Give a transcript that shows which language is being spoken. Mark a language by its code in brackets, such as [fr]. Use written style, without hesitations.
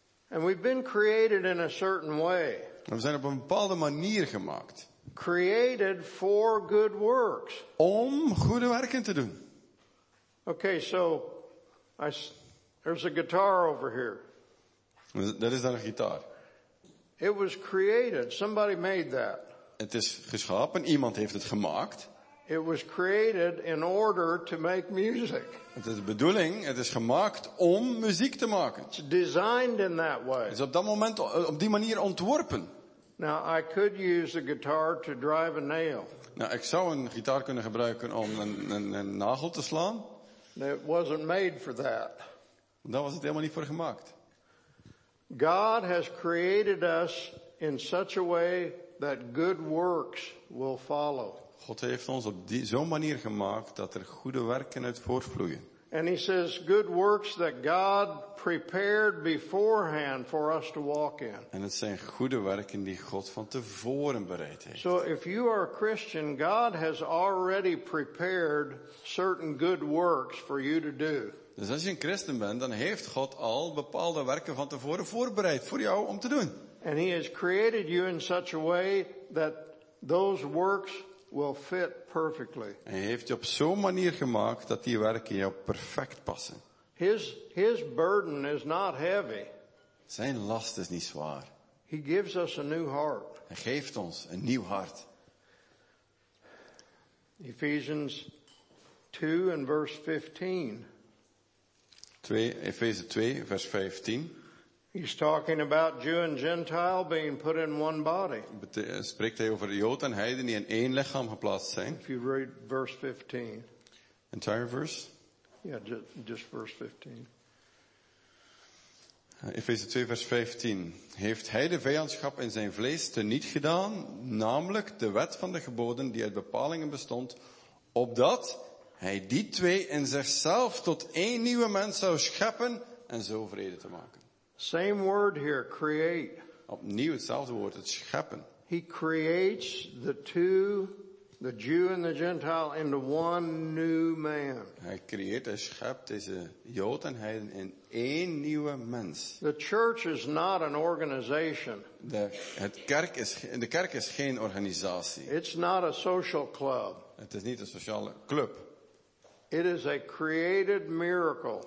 [en] And we've been created in a certain way. [nl] We zijn op een bepaalde manier gemaakt. [en] Created for good works. [nl] Om goede werken te doen. [en] Okay, so there's a guitar over here. [nl] Dat is dan een gitaar. [en] It was created. Somebody made that. [nl] Het is geschapen. Iemand heeft het gemaakt. [en] It was created in order to make music. [nl] Het is de bedoeling. Het is gemaakt om muziek te maken. [en] It's designed in that way. [nl] Het is op dat moment op die manier ontworpen. [en] Now I could use a guitar to drive a nail. [nl] Nou, ik zou een gitaar kunnen gebruiken om een nagel te slaan. [en] It wasn't made for that. [nl] Daar was het helemaal niet voor gemaakt. [en] God has created us in such a way that good works will follow. [nl] God heeft ons op zo'n manier gemaakt dat er goede werken uit voortvloeien. [en] And he says good works that God prepared beforehand for us to walk in. [nl] En het zijn goede werken die God van tevoren bereid heeft. [en] So if you are a Christian, God has already prepared certain good works for you to do. [nl] Dus als je een christen bent, dan heeft God al bepaalde werken van tevoren voorbereid voor jou om te doen. [en] And he has created you in such a way that those works will fit perfectly. [nl] Hij heeft je op zo'n manier gemaakt dat die werken jou perfect passen. [en] His burden is not heavy. [nl] Zijn last is niet zwaar. [en] He gives us a new heart. [nl] Hij geeft ons een nieuw hart. [en] Ephesians 2 and verse 15. [nl] Efeze 2 vers 15. [en] He's talking about Jew and Gentile being put in one body. [nl] Spreekt hij over Jood en Heiden die in één lichaam geplaatst zijn? [en] If you read verse 15. Entire verse? Yeah, just verse 15. [nl] Efeze 2 vers 15. Heeft hij de vijandschap in zijn vlees teniet gedaan, namelijk de wet van de geboden die uit bepalingen bestond, opdat hij die twee in zichzelf tot één nieuwe mens zou scheppen en zo vrede te maken? [en] Same word here, create. [nl] Opnieuw hetzelfde woord, het scheppen. [en] He creates the two, the Jew and the Gentile, into one new man. [nl] Hij creëert en schept deze Jood en Heiden in één nieuwe mens. [en] The church is not an organization. [nl] De kerk is geen organisatie. [en] It's not a social club. [nl] Het is niet een sociale club. [en] It is a created miracle.